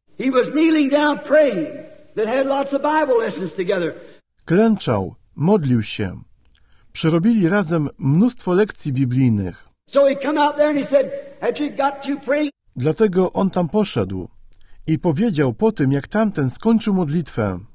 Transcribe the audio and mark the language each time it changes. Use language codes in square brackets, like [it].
[en] He was kneeling down praying. That had lots of Bible lessons together. [pl] Klęczał, modlił się. Przerobili razem mnóstwo lekcji biblijnych. [en] So he came out there and he said, "Have you got to pray?" [pl] Dlatego on tam poszedł i powiedział po tym, jak tamten skończył modlitwę.